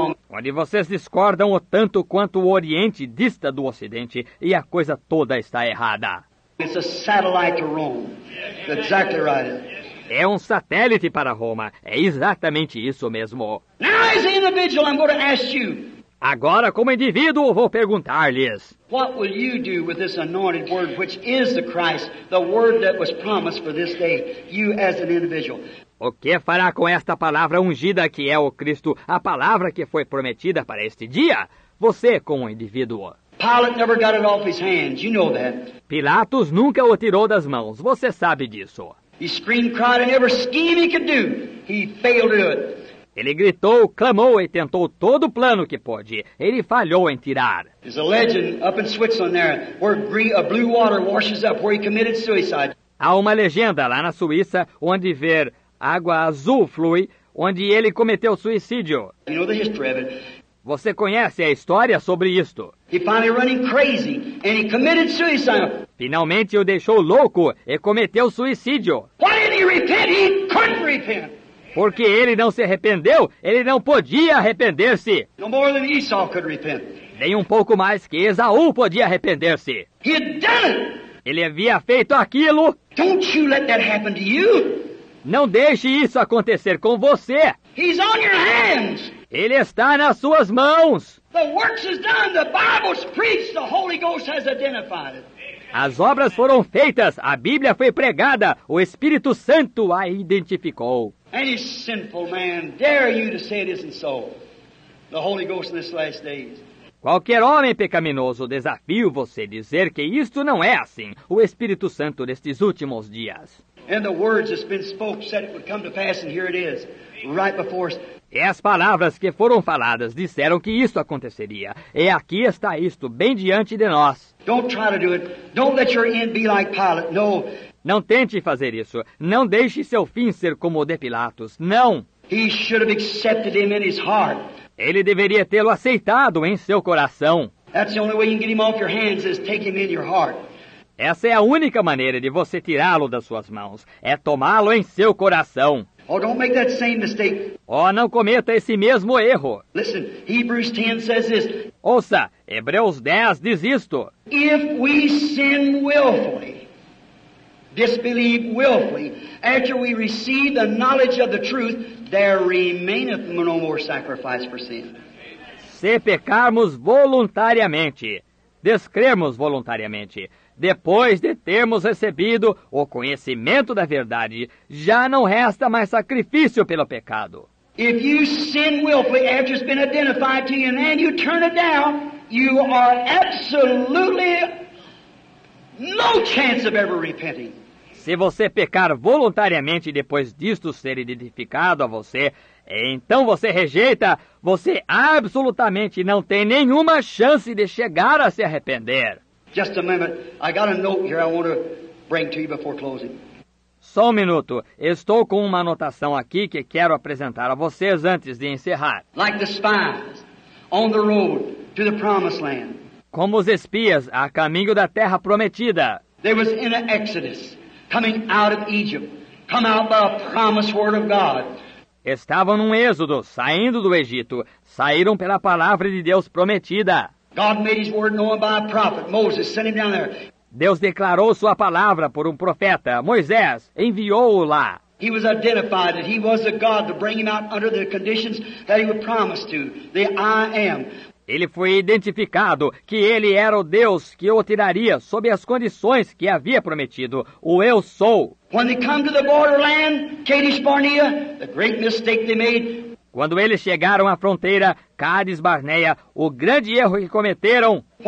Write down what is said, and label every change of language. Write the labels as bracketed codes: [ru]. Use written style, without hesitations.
[pt] Onde vocês discordam o tanto quanto o Oriente dista do Ocidente e a coisa toda está errada. [en] It's a satellite to Rome. Exactly right. [pt] É um satélite para Roma. É exatamente isso mesmo. [en] Now, as an individual, I'm going to ask you. [pt] Agora, como indivíduo, vou perguntar-lhes. [en] What will you do with this anointed word, which is the Christ, the word that was promised for this day, you as an individual? [pt] O que fará com esta palavra ungida que é o Cristo, a palavra que foi prometida para este dia? Você como indivíduo. [en] Pilate never got it off his hands, you know that. [pt] Pilatos nunca o tirou das mãos, você sabe disso. [en] He screamed, cried, and every scheme he could do, he failed to do it. [pt] Ele gritou, clamou e tentou todo o plano que pôde. Ele falhou em tirar. [en] There's a legend up in Switzerland there where a blue water washes up where he committed suicide. [pt] Há uma legenda lá na Suíça onde ver água azul flui onde ele cometeu suicídio. [en] You know the history of it. [pt] Você conhece a história sobre isto? [en] He finally running crazy and he committed suicide. [pt] Finalmente o deixou louco e cometeu suicídio. [en] Why didn't he repent? He couldn't repent. [pt] Porque ele não se arrependeu, ele não podia arrepender-se. [en] No more than Esau could repent. [pt] Nem um pouco mais que Esaú podia arrepender-se. [en] He had done it. [pt] Ele havia feito aquilo. [en] Don't you let that happen to you. [pt] Não deixe isso acontecer com você. [en] He's on your hands. [pt] Ele está nas suas mãos. [en] The works is done, the Bible's preached, the Holy Ghost has identified it. [pt] As obras foram feitas, a Bíblia foi pregada, o Espírito Santo a identificou. [en] Any sinful man dare you to say it isn't so? The Holy Ghost in this last days. [pt] Qualquer homem pecaminoso, desafio você dizer que isto não é assim, o Espírito Santo nestes últimos dias. [en] And the words that's been spoken said it would come to pass, and here it is, right before us. [pt] E as palavras que foram faladas disseram que isto aconteceria. E aqui está isto, bem diante de nós. [en] Don't try to do it. Don't let your end be like Pilate. No. [pt] Não tente fazer isso. Não deixe seu fim ser como o de Pilatos. Não. [en] He should have accepted him in his heart. [pt] Ele deveria tê-lo aceitado em seu coração. [en] That's the only way you can get him off your hands is take him in your heart. [pt] Essa é a única maneira de você tirá-lo das suas mãos. É tomá-lo em seu coração. [en] Oh, don't make that same mistake. [pt] Oh, não cometa esse mesmo erro. [en] Listen, Hebrews 10 says this. [pt] Ouça, Hebreus 10 diz isto. [en] If we sin willfully, disbelieve willfully, after we receive the knowledge of the truth, there remaineth no more sacrifice for sin. [pt] Se pecarmos voluntariamente, descremos voluntariamente, depois de termos recebido o conhecimento da verdade, já não resta mais sacrifício pelo pecado. [en] If you sin willfully after it's been identified to you and then you turn it down, you are absolutely no chance of ever repenting. [pt] Se você pecar voluntariamente depois disto ser identificado a você, então você rejeita, você absolutamente não tem nenhuma chance de chegar a se arrepender. [en] Just a moment. I got a note here I want to bring to you before closing. [pt] Só um minuto. Estou com uma anotação aqui que quero apresentar a vocês antes de encerrar. [en] Like the spies on the road to the promised land. [pt] Como os espias a caminho da terra prometida. [en] They was in an exodus, coming out of Egypt, come out by a promised word of God. [pt] Estavam num êxodo, saindo do Egito, saíram pela palavra de Deus prometida. [en] God made his word known by a prophet, Moses, sent him down there. [pt] Deus declarou sua palavra por um profeta, Moisés, enviou-o lá. [en] He was identified that he was a God to bring him out under the conditions that he would promise to, the I am. [pt] Ele foi identificado que ele era o Deus que o tiraria sob as condições que havia prometido, o eu sou. [en] When they come to the borderland, Kadesh Barnea, the great mistake they made. [pt] Quando eles chegaram à fronteira, Cádiz Barneia, o grande erro que cometeram.